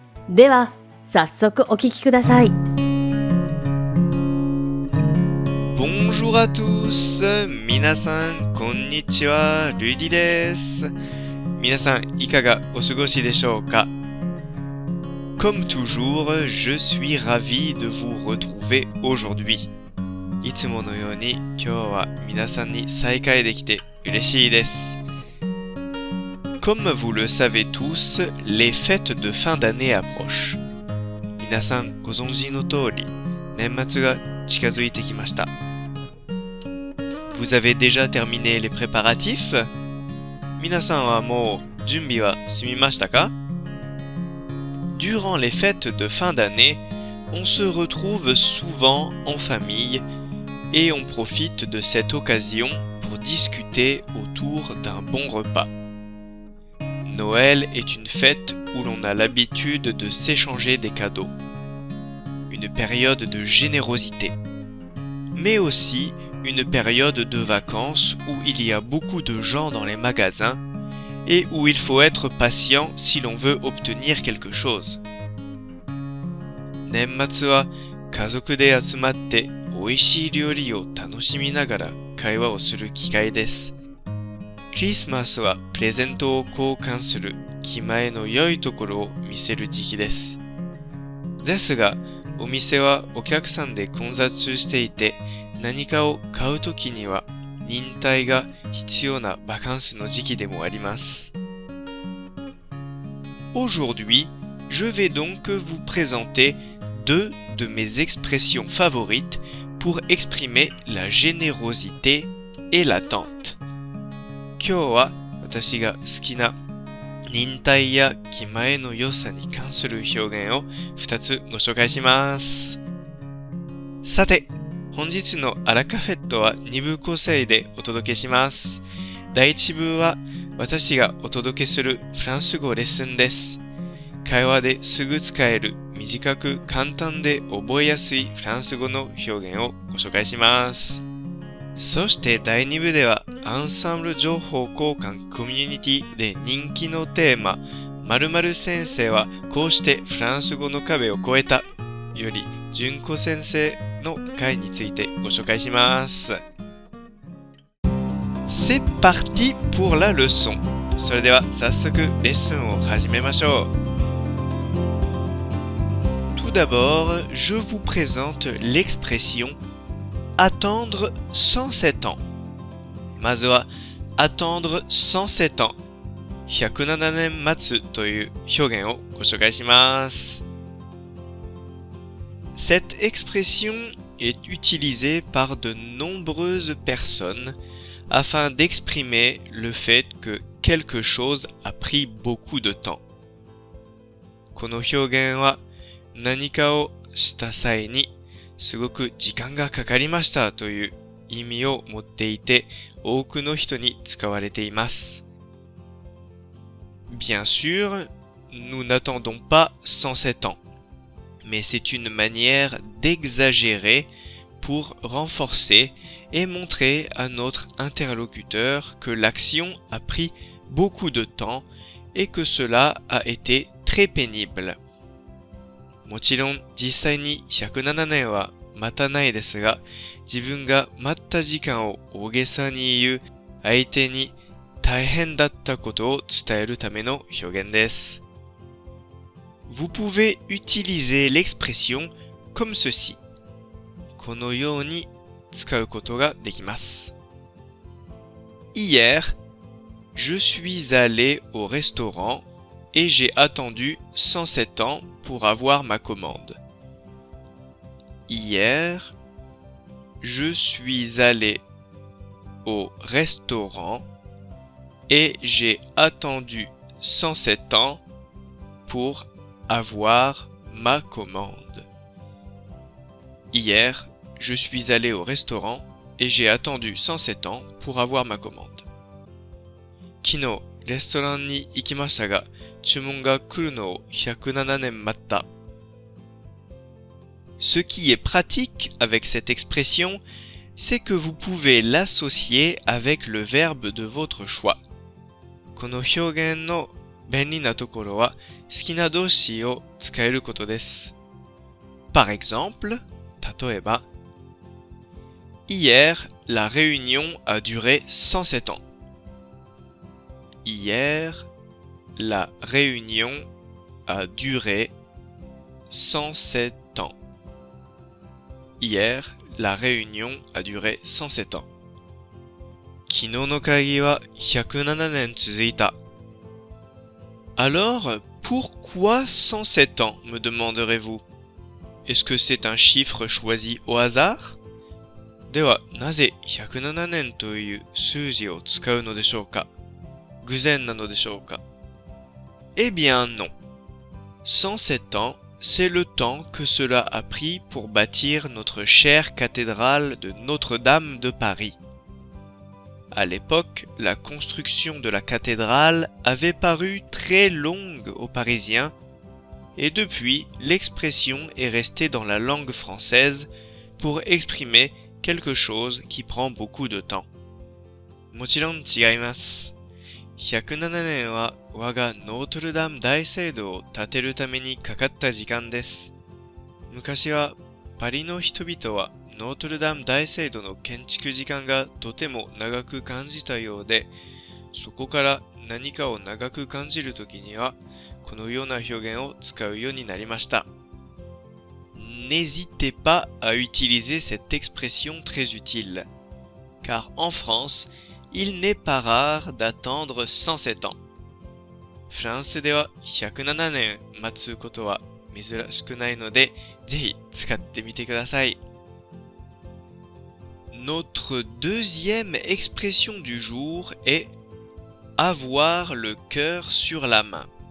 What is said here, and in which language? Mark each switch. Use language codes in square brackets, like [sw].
[ja] では早速お聞きください。 [fr] Bonjour à tous、 [ja] 皆さんこんにちは、ルディです。皆さんいかがお過ごしでしょうか。 [fr] Comme toujours, je suis ravi de vous retrouver aujourd'hui。 [ja] いつものように今日は皆さんに再会できて嬉しいです。 [fr] Comme vous le savez tous, les fêtes de fin d'année approchent. [ja] 皆さんご存知の通り、年末が近づいてきました。 [fr] Vous avez déjà terminé les préparatifs? [ja] 皆さんはもう準備は済みましたか? [fr] Durant les fêtes de fin d'année, on se retrouve souvent en famille et on profite de cette occasion pour discuter autour d'un bon repas. Noël est une fête où l'on a l'habitude de s'échanger des cadeaux. Une période de générosité. Mais aussi une période de vacances où il y a beaucoup de gens dans les magasins et où il faut être patient si l'on veut obtenir quelque chose. [ja] 年末は家族で集まって美味しい料理を楽しみながら会話をする機会です。クリスマスはプレゼントを交換する気前の良いところを見せる時期です。ですが、お店はお客さんで混雑していて、何かを買うときには忍耐が必要なバカンスの時期でもあります。 [fr] Aujourd'hui, je vais donc vous présenter deux de mes expressions favorites pour exprimer la générosité et l'attente. [ja] 今日は私が好きな忍耐や気前の良さに関する表現を2つご紹介します。さて、本日のアラカフェットは2部構成でお届けします。第1部は私がお届けするフランス語レッスンです。会話ですぐ使える短く簡単で覚えやすいフランス語の表現をご紹介します。そして第2部ではアンサンブル情報交換コミュニティで人気のテーマ、〇〇先生はこうしてフランス語の壁を越えたより純子先生の回についてご紹介します。 [fr] C'est parti pour la leçon。 [ja] それでは早速レッスンを始めましょう。 [fr] Tout d'abord, je vous présente l'expressionAttendre 107 ans. [ja] まずは [fr] attendre 107 ans. [ja] 107年待つという表現をご紹介します。 [fr] Cette expression est utilisée par de nombreuses personnes afin d'exprimer le fait que quelque chose a pris beaucoup de temps. [ja] この表現は何かをした際にすごく時間がかかりましたという意味を持っていて、多くの人に使われています。 [fr] Bien sûr, nous n'attendons pas 107 ans, mais c'est une manière d'exagérer pour renforcer et montrer à notre interlocuteur que l'action a pris beaucoup de temps et que cela a été très pénible. [ja] もちろん実際に107年は待たないですが、自分が待った時間を大げさに言う相手に大変だったことを伝えるための表現です。 [fr] vous pouvez utiliser l'expression comme ceci. [ja] このように使うことができます。 [fr] Hier, je suis allé au restaurant et j'ai attendu 107 ans pour avoir ma commande. Hier, je suis allé au restaurant et j'ai attendu 107 ans pour avoir ma commande. Hier, je suis allé au restaurant et j'ai attendu 107 ans pour avoir ma commande. [ja] 昨日、レストランに行きましたが、注文が来るのを107年待った。 [fr] Ce qui est pratique avec cette expression, c'est que vous pouvez l'associer avec le verbe de votre choix. [ja] この表現の便利なところは、好きな動詞を使えることです。 [fr] Par exemple, [ja] 例えば、 [fr] Hier, la réunion a duré 107 ans. Hier, la réunion a duré 107 ans. Hier, la réunion a duré 107 ans. [ja] 昨日の会議は107年続いた。 [fr] Alors, pourquoi 107 ans, me demanderez-vous? Est-ce que c'est un chiffre choisi au hasard? [ja] では、なぜ107年という数字を使うのでしょうか? 偶然なのでしょうか? [fr] Eh bien non. 107 ans, c'est le temps que cela a pris pour bâtir notre chère cathédrale de Notre-Dame de Paris. À l'époque, la construction de la cathédrale avait paru très longue aux Parisiens, et depuis, l'expression est restée dans la langue française pour exprimer quelque chose qui prend beaucoup de temps. [ja] もちろん違います。 107年は我がノートルダム大聖堂を建てるためにかかった時間です。昔はパリの人々はノートルダム大聖堂の建築時間がとても長く感じたようで、そこから何かを長く感じるときにはこのような表現を使うようになりました。 [fr] N'hésitez pas à utiliser cette expression très utile, car en France, il n'est pas rare d'attendre 107 ans. [ja] フランスでは107年待つことは珍しくないので、ぜひ使ってみてください。 [fr] Notre deuxième expression du jour est avoir le cœur sur la main.